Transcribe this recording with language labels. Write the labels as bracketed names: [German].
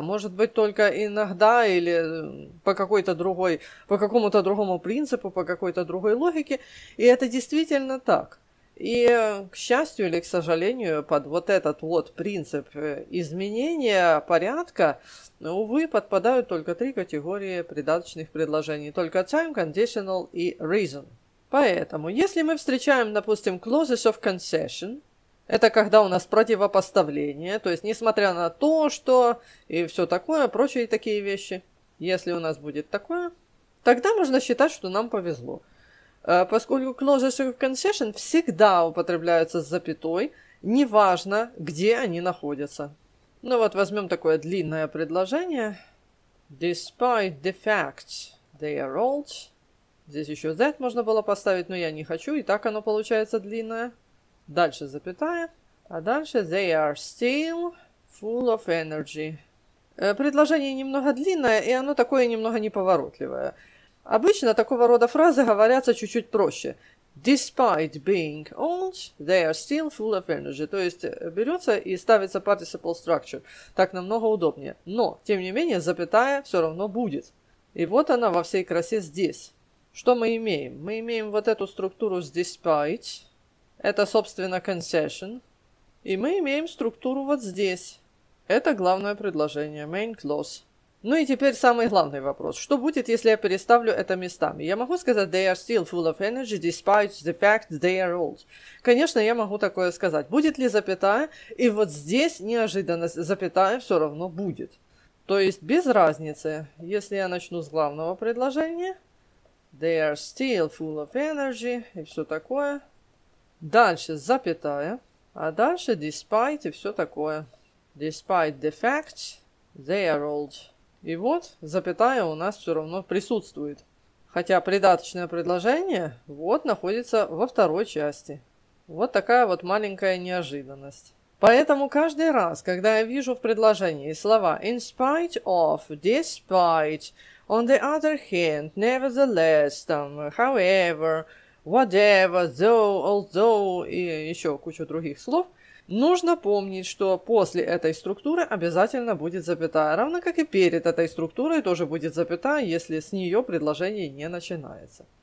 [Russian] Может быть, только иногда или по какой-то другой, по какому-то другому принципу, по какой-то другой логике? И это действительно так. И, к счастью или к сожалению, под вот этот вот принцип изменения порядка, увы, подпадают только три категории придаточных предложений. Только time, conditional и reason. Поэтому, если мы встречаем, допустим, clauses of concession, это когда у нас противопоставление, то есть несмотря на то, что и все такое, прочие такие вещи, если у нас будет такое, тогда можно считать, что нам повезло. Поскольку clauses of concession всегда употребляются с запятой, неважно, где они находятся. Ну вот, возьмем такое длинное предложение. [English] Despite the fact they are old. [Russian] Здесь еще that можно было поставить, но я не хочу, и так оно получается длинное. Дальше запятая. А дальше [English] they are still full of energy. [Russian] Предложение немного длинное, и оно такое немного неповоротливое. Обычно такого рода фразы говорятся чуть-чуть проще. [English] Despite being old, they are still full of energy. [Russian] То есть берется и ставится participle structure. Так намного удобнее. Но, тем не менее, запятая все равно будет. И вот она во всей красе здесь. Что мы имеем? Мы имеем вот эту структуру с despite. Это, собственно, concession. И мы имеем структуру вот здесь. Это главное предложение, main clause. Ну и теперь самый главный вопрос. Что будет, если я переставлю это местами? Я могу сказать [English] they are still full of energy despite the fact they are old. [Russian] Конечно, я могу такое сказать. Будет ли запятая? И вот здесь неожиданно запятая все равно будет. То есть без разницы, если я начну с главного предложения. [English] They are still full of energy [Russian] и все такое. Дальше запятая. А дальше despite и все такое. [English] Despite the fact they are old. [Russian] И вот запятая у нас все равно присутствует. Хотя придаточное предложение вот находится во второй части. Вот такая вот маленькая неожиданность. Поэтому каждый раз, когда я вижу в предложении слова [English] in spite of, despite, on the other hand, nevertheless, [Russian] там, [English] however, whatever, though, although [Russian] и еще кучу других слов, нужно помнить, что после этой структуры обязательно будет запятая, равно как и перед этой структурой тоже будет запятая, если с нее предложение не начинается.